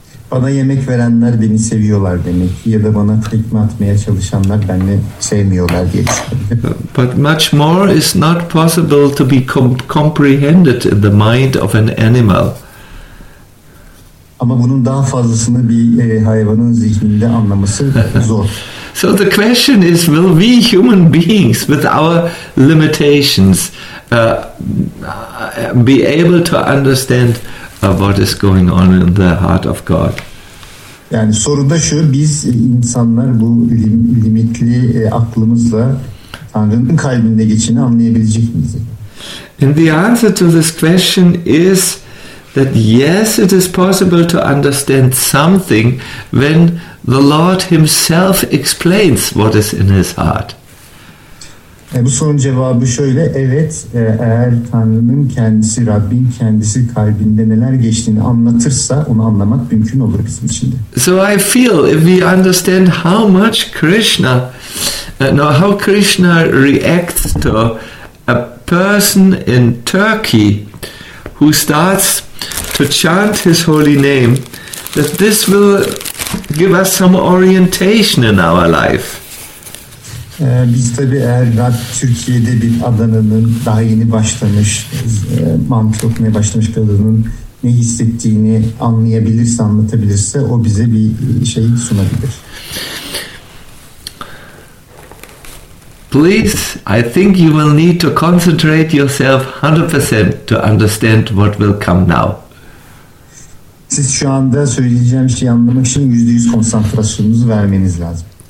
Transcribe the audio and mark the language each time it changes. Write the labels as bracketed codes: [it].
[tr] Bana yemek verenler beni seviyorlar demek, ya da bana tekme atmaya çalışanlar beni sevmiyorlar diye. [en] But much more is not possible to be comprehended in the mind of an animal. [tr] Ama bunun daha fazlasını bir hayvanın zihninde anlaması zor. [en] So the question is, will we human beings with our limitations be able to understand what is going on in the heart of God? [tr] Yani soru da şu, biz insanlar bu limitli aklımızla Tanrı'nın kalbinde geçeni anlayabilecek miyiz? [en] And the answer to this question is that yes, it is possible to understand something when the Lord himself explains what is in his heart. [tr] Bu sorunun cevabı şöyle, evet, eğer Tanrı'nın kendisi, Rabbin kendisi kalbinde neler geçtiğini anlatırsa onu anlamak mümkün olur bizim için de. [en] So I feel if we understand how much Krishna, how Krishna reacts to a person in Turkey who starts to chant his holy name, that this will give us some orientation in our life. [tr] Biz tabi eğer Türkiye'de bir Adana'nın daha yeni başlamış, mantra okumaya başlamış bir Adana'nın ne hissettiğini anlayabilirse, anlatabilirse o bize bir şey sunabilir. [en] Please, I think you will need to concentrate yourself 100% to understand what will come now. [tr] Siz şu anda söyleyeceğim şeyi anlamak için %100 konsantrasyonunuzu vermeniz lazım.